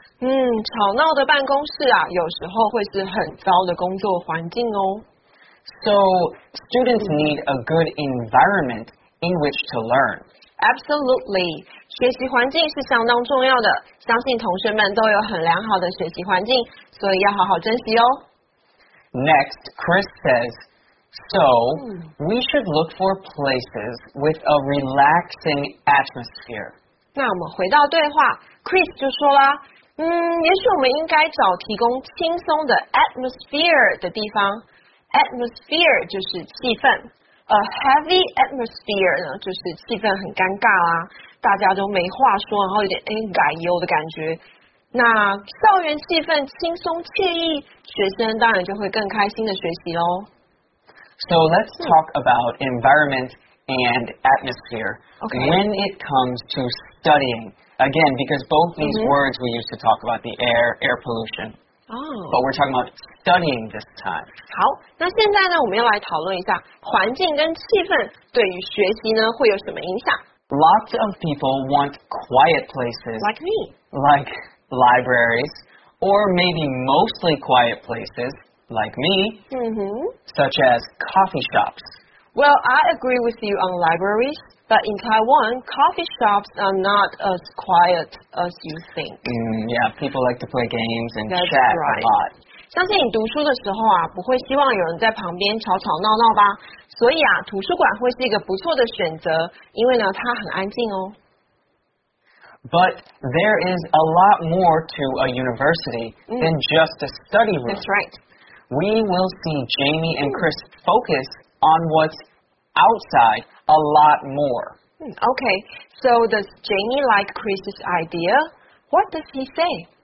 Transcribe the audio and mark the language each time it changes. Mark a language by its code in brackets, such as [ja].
[zh] 吵闹的办公室啊，有时候会是很糟的工作环境哦。 [en] So, students need a good environment in which to learn. Absolutely. [zh] 学习环境是相当重要的，相信同学们都有很良好的学习环境，所以要好好珍惜哦。 [en] Next, Chris says, So, we should look for places with a relaxing atmosphere. [zh] 那我们回到对话， Chris 就说啦，也许我们应该找提供轻松的 atmosphere 的地方。 Atmosphere 就是气氛， [en] A heavy atmosphere [zh] 呢就是气氛很尴尬啊，大家都没话说，然后有点改忧的感觉。那校园气氛轻松惬意，学生当然就会更开心的学习咯。 [en] So let's talk about environment and atmosphere. Okay. When it comes to studying, again, because both these words we used to talk about, the air pollution. But we're talking about studying this time. [zh] 好，那现在呢，我们要来讨论一下环境跟气氛对于学习呢会有什么影响。 [en] Lots of people want quiet places. Like me. Like libraries. Or maybe mostly quiet places, like me. Such as coffee shops. Well, I agree with you on libraries, but in Taiwan, coffee shops are not as quiet as you think. People like to play games and chat a lot. [zh] 相信你读书的时候啊，不会希望有人在旁边吵吵闹闹吧？所以啊，图书馆会是一个不错的选择，因为呢，它很安静哦。 [en] But there is a lot more to a university than just a study room. That's right. We will see Jamie and Chris focus on what's outside a lot more. Okay, so does Jamie like Chris's idea? What does he say?